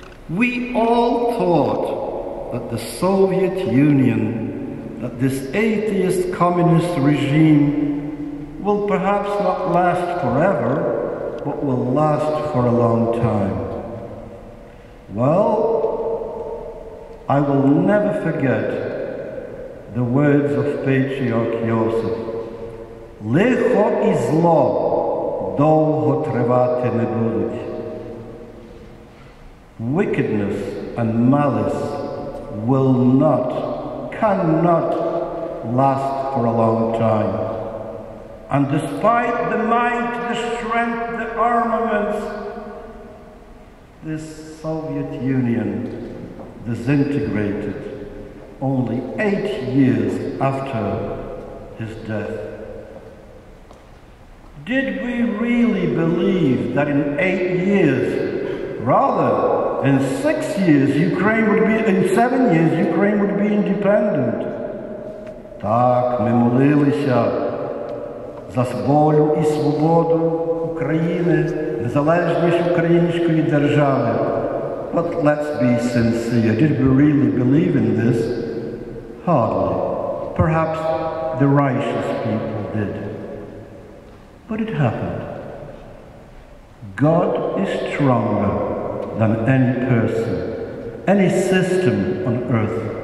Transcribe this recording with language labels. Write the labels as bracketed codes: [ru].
[en] We all thought that the Soviet Union, that this atheist communist regime will perhaps not last forever, but will last for a long time. Well, I will never forget the words of Patriarch Joseph. [uk] Лихо і зло довго тривати не будуть. [en] Wickedness and malice will not, cannot last for a long time. And despite the might, the strength, the armaments, this Soviet Union disintegrated only 8 years after his death. Did we really believe that in 8 years, rather in 6 years, Ukraine would be, in 7 years, Ukraine would be independent? [uk] Так, ми молилися за волю і свободу України, незалежність української держави. [en] But let's be sincere, did we really believe in this? Hardly. Perhaps the righteous people did. But it happened. God is stronger than any person, any system on earth.